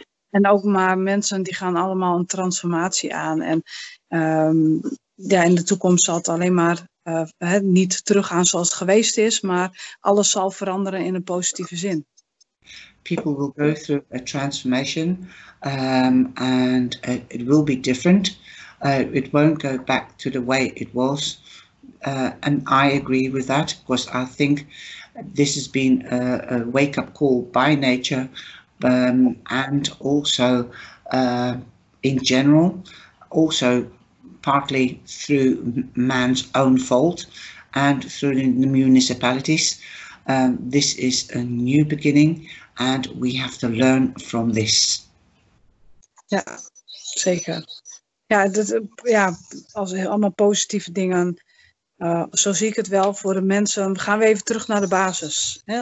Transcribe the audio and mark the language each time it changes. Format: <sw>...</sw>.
<nl>En ook maar mensen die gaan allemaal een transformatie aan. En ja, in de toekomst zal het alleen maar niet teruggaan zoals het geweest is, maar alles zal veranderen in een positieve zin.</nl> <en>People will go through a transformation and it will be different. It won't go back to the way it was. And I agree with that, because I think this has been a wake-up call by nature. And also in general, also partly through man's own fault and through the municipalities, this is a new beginning and we have to learn from this.</en> <nl>Ja, zeker. Ja, dat, ja, als allemaal positieve dingen, zo zie ik het wel voor de mensen. Gaan we even terug naar de basis, hè?</nl>